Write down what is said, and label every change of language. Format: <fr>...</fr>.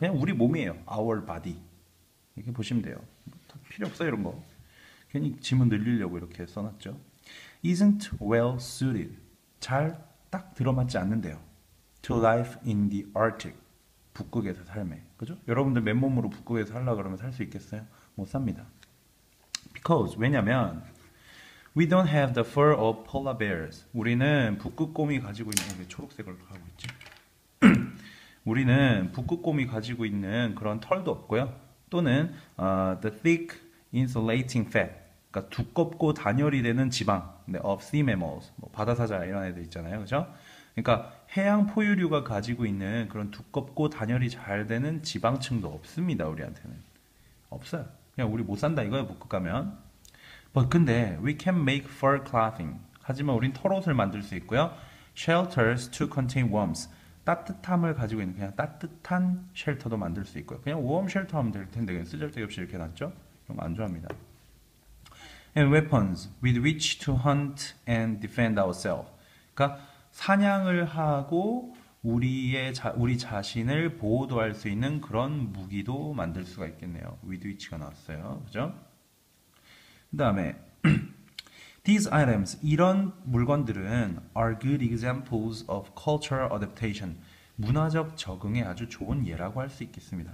<ko>그냥 우리 몸이에요.</ko> <en>Our body.</en> <ko>이렇게 보시면 돼요. 필요 없어요, 이런 거. 괜히 지문 늘리려고 이렇게 써놨죠.</ko> <en>Isn't well suited.</en> <ko>잘딱 들어맞지 않는데요.</ko> <en>To life in the Arctic.</en> <ko>북극에서 삶에. 그죠? 여러분들 맨몸으로 북극에서 살라 그러면 살수 있겠어요? 못 삽니다.</ko> <en>Because,</en> <ko>왜냐면,</ko> <en>We don't have the fur of polar bears.</en> <ko>우리는 북극곰이 가지고 있는 게 초록색으로 가고 있지. 우리는 북극곰이 가지고 있는 그런 털도 없고요. 또는</ko> <en>the thick insulating fat,</en> <ko>그러니까 두껍고 단열이 되는 지방,</ko> <en>of sea mammals,</en> <ko>뭐 바다사자 이런 애들 있잖아요, 그렇죠? 그러니까 해양 포유류가 가지고 있는 그런 두껍고 단열이 잘 되는 지방층도 없습니다, 우리한테는. 없어요. 그냥 우리 못 산다 이거야, 북극 가면. 근데</ko> <en>we can make fur clothing.</en> <ko>하지만 우린 털옷을 만들 수 있고요.</ko> <en>Shelters to contain warmth.</en> <ko>따뜻함을 가지고 있는 그냥 따뜻한 쉘터도 만들 수 있고요. 그냥 웜 쉘터 하면 될 텐데 그냥 쓰잘데기 없이 이렇게 놨죠? 이런 거안 좋아합니다.</ko> <en>And weapons with which to hunt and defend ourselves.</en> <ko>그러니까 사냥을 하고 우리 자신을 보호할 수 있는 그런 무기도 만들 수가 있겠네요. With which가 나왔어요. 그죠? 그다음에</ko> <en>these items</en> <ko>이런 물건들은</ko> <en>are good examples of cultural adaptation</en> <ko>문화적 적응에 아주 좋은 예라고 할수 있겠습니다.</ko>